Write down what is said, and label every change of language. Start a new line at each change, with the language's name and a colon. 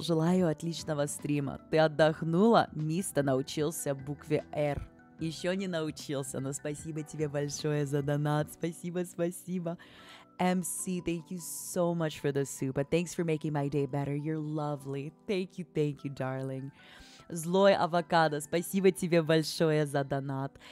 Russian: Желаю отличного стрима. Ты отдохнула? Миста научился букве R. Еще не научился, но спасибо тебе большое за донат. Спасибо, спасибо.
English: MC, thank you so much for the soup. Thanks for making my day better. You're lovely. Thank you, darling.
Russian: Злой авокадо, спасибо тебе большое за донат.